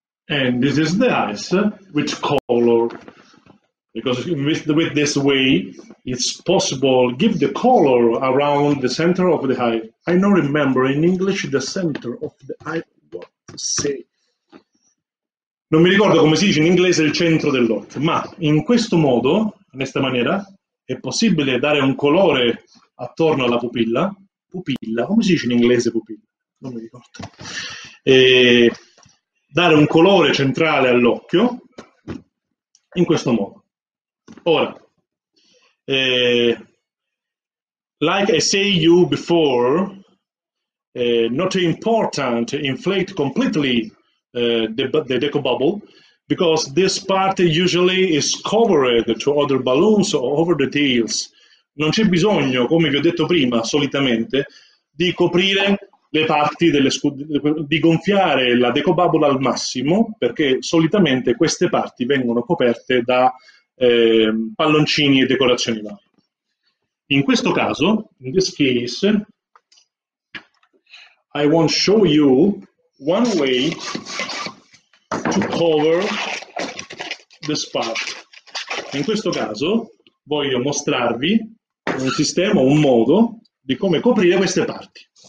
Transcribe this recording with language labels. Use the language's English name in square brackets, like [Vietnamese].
[English] And this is the ice with color, because with this way it's possible give the color around the center of the ice. I don't remember in English the center of the ice, what to say. [Italian] Non mi ricordo come si dice in inglese il centro dell'occhio, ma in questo modo, in questa maniera, è possibile dare un colore attorno alla pupilla. Pupilla, come si dice in inglese pupilla? Non mi ricordo. E dare un colore centrale all'occhio in questo modo. Ora, [English] like I say you before, not important to inflate completely the Deco Bubble, because this part usually is covered to other balloons or over the tails. [Italian] Non c'è bisogno, come vi ho detto prima, solitamente, di coprire le parti delle di gonfiare la Deco Bubble al massimo, perché solitamente queste parti vengono coperte da palloncini e decorazioni varie. In questo caso, [English] in this case, I want to show you one way to cover this part. [Italian] In questo caso voglio mostrarvi un sistema, un modo di come coprire queste parti.